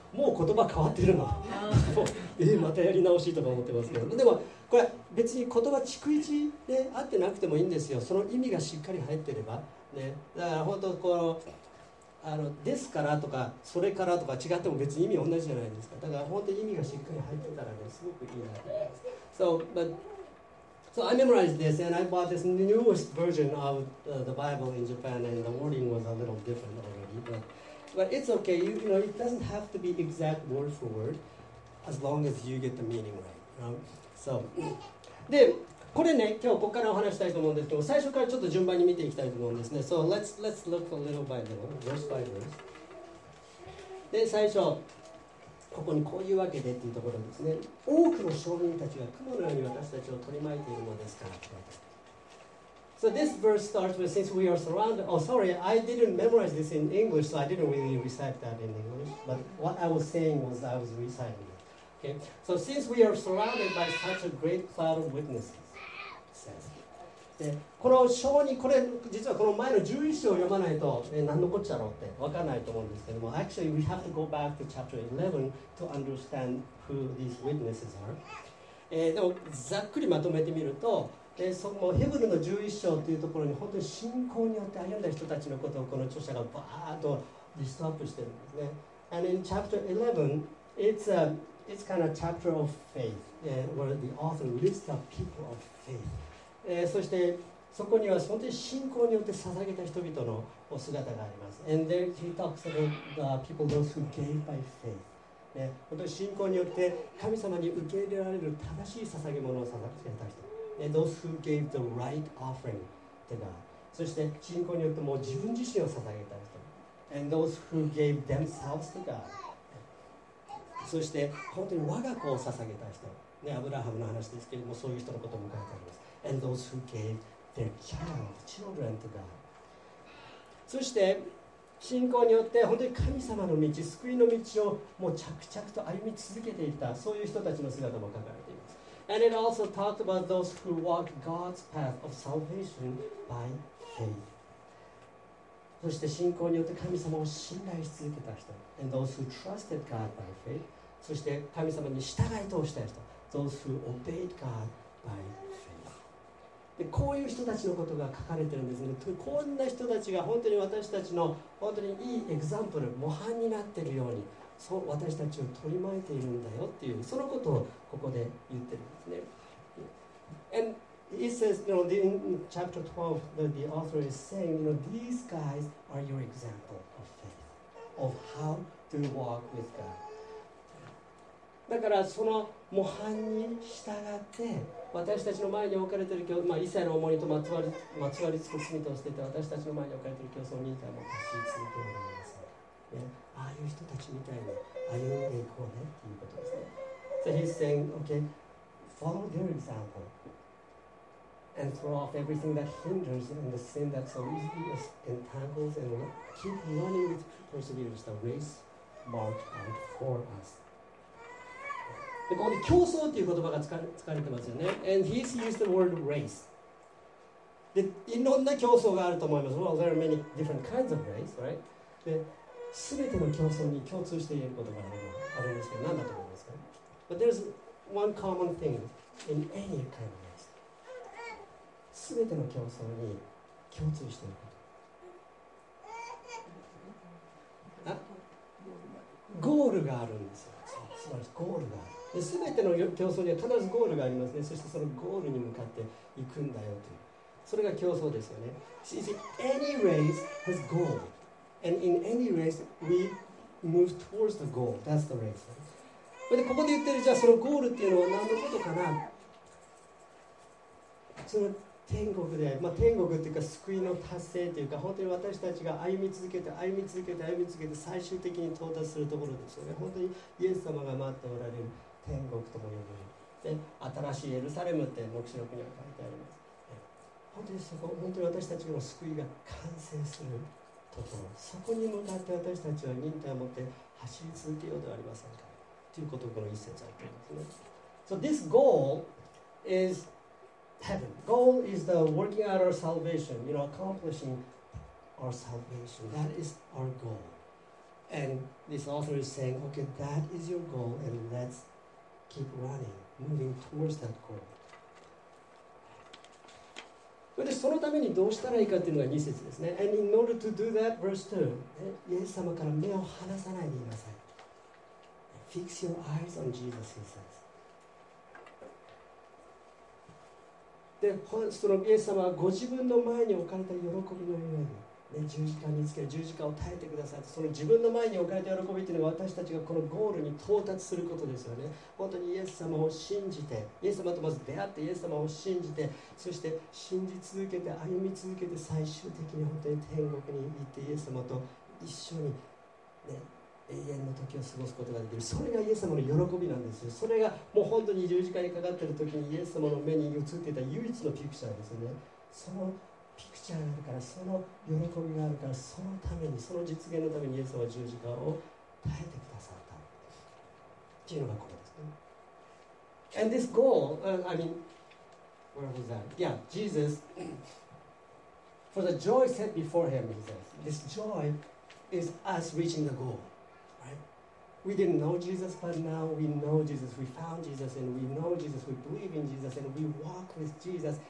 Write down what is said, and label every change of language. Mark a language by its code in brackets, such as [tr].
[ja] もう言葉変わってるの。またやり直しとか思ってますけど、でもこれ別に言葉逐一で、ね、合ってなくてもいいんですよ。その意味がしっかり入ってればね。だから本当こうですからとかそれからとか違っても別に意味同じじゃないですか。だから本当に意味がしっかり入ってたらね、すごくいいなと思います。 [en] So butSo I memorized this and I bought this newest version of the Bible in Japan and the wording was a little different already. But it's okay, you know, it doesn't have to be exact word for word as long as you get the meaning right. [ja] So, で、これね、今日ここからお話したいと思うんですけど、最初からちょっと順番に見ていきたいと思うんですね。 [en] So let's look a little by little, verse by verse. [ja] で、最初。ここにこういうわけでっていうところですね。多くの証人たちが雲のように私たちを取り巻いているのですから。 [en] So this verse starts with, since we are surrounded, oh sorry, I didn't memorize this in English, so I didn't really recite that in English, but what I was saying was I was reciting it. Okay, so since we are surrounded by such a great cloud of witnesses, it says. [ja] で、この証人、これ実はこの前の11章を読まないと、何のこっちゃろうって分からないと思うんですけども、 [en] Actually, we have to go back to chapter 11 to understand who these witnesses are. [ja] でも、ざっくりまとめてみると、そのヘブルの11章というところに本当に信仰によって歩んだ人たちのことをこの著者がバーッとリストアップしてるんですね。 [en] And in chapter 11, it's kind of chapter of faith, where the author lists up people of faith. [ja] そしてそこには本当に信仰によって捧げた人々のお姿があります。 [en] And there he talks about the people those who gave by faith. [ja] 本当に信仰によって神様に受け入れられる正しい捧げ物を捧げた人。 [en] Those who gave the right offering to God. [ja] そして信仰によってもう自分自身を捧げた人。 [en] And those who gave themselves to God. [ja] そして本当に我が子を捧げた人。ね、アブラハムの話ですけれども、そういう人のことも書いてあります。 [en] And those who gave their child, children to God. [ja] そして信仰によって本当に神様の道、救いの道をもう着々と歩み続けていた、そういう人たちの姿も書かれています。 [en] And it also talked about those who walked God's path of salvation by faith. [ja] そして信仰によって神様を信頼し続けた人。 [en] And those who trusted God by faith. [ja] そして神様に従い通した人。 [en] Those who obeyed God by faith. [ja] でこういう人たちのことが書かれてるんですね。こんな人たちが本当に私たちの本当にいいエグザンプル、模範になってるように、そう私たちを取り巻いているんだよっていう、そのことをここで言ってるんですね。 [en] And it says, you know, in chapter 12, that the author is saying, you know, these guys are your example of faith, of how to walk with God. [ja] だからその模範に従って、私たちの前に置かれている教、まあ、一切の重荷とまつわりつく罪と捨てて私たちの前に置かれている競争忍耐も走り続けられます、ね、ああいう人たちみたいに歩んでいこうねということですね。 [en] So he's saying, okay, follow their example and throw off everything that hinders and the sin that so easily entangles and keep running with perseverance the race marked out for us. [ja] でここで競争という言葉が使われてますよね。 [en] And he's used the word race. [ja] でいろんな競争があると思います。 [en] Well, there are many different kinds of race, right? [ja] で、すべての競争に共通している言葉があるんですけど、何だと思いますか ？ [en] But there's one common thing in any kind of race. [ja] すべての競争に共通していること。あ、ゴールがあるんですよ。そう、素晴らしい。ゴールがある。すべての競争には必ずゴールがありますね。そしてそのゴールに向かっていくんだよという。それが競争ですよね。 [en] See, see, any race has goal. And in any race, we move towards the goal. That's the race. [ja] でここで言ってる、じゃあそのゴールっていうのは何のことかな？その天国で、まあ、天国っていうか救いの達成というか、本当に私たちが歩み続けて、歩み続けて、歩み続けて、最終的に到達するところですよね。本当にイエス様が待っておられる。天国とも呼ぶで新しいエルサレムって黙示録には書いてあります。本当にそこ、本当に私たちの救いが完成するところ、そこに向かって私たちは忍耐を持って走り続けようではありませんかということをこの一節は言っていますね。 [en] So this goal is heaven. Goal is the working out our salvation, you know, accomplishing our salvation. That is our goal. And this author is saying, okay, that is your goal and let'sKeep running, moving towards that goal. [ja] それでそのためにどうしたらいいかというのが2節ですね。 [en] And in order to do that, verse 2, [ja] イエス様から目を離さないでいなさい。 [en] Fix your eyes on Jesus, he says. [ja] で、そのイエス様はご自分の前に置かれた喜びのようにね、十字架につける十字架を耐えてくださいと、その自分の前に置かれた喜びというのは私たちがこのゴールに到達することですよね。本当にイエス様を信じて、イエス様とまず出会ってイエス様を信じて、そして信じ続けて歩み続けて、最終的に本当に天国に行ってイエス様と一緒に、ね、永遠の時を過ごすことができる、それがイエス様の喜びなんですよ。それがもう本当に十字架にかかっている時にイエス様の目に映っていた唯一のピクチャーですよね。そのピクチャーがあるから、その喜びがあるから、そのためにその実現のためにイエス様は十字架を耐えてくださったっていうのがここですね。 [en] And this goal、I mean where was that? Yeah, Jesus for the joy set before him, he says this joy is us reaching the goal, right? We didn't know Jesus, but now we know Jesus. We found Jesus and we know Jesus. We believe in Jesus and we walk with Jesus.